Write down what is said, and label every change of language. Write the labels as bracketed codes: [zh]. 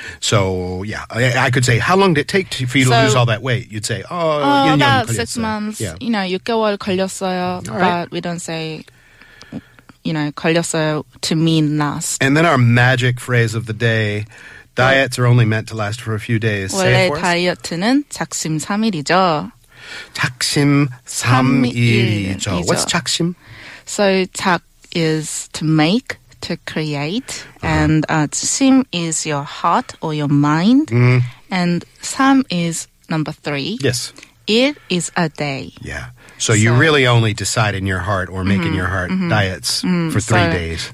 [en] So, yeah, I could say, how long did it take for you to lose all that weight? You'd say, about 6 months. Yeah. You know, [ko] 6개월 걸렸어요, [en] but we don't say, you know, [ko] 걸렸어요 [en] to mean last. And then our magic phrase of the day, diets are only meant to last for a few days. [ko] 원래 다이어트는 작심삼일이죠. 작심삼일이죠. [en] What's [ko] 작심? [en] So 작 is to make, to create, and 심 is your heart or your mind, and 삼 is number 3. Yes. It is a day. Yeah. So you really only decide in your heart or make in your heart diets for 3 days.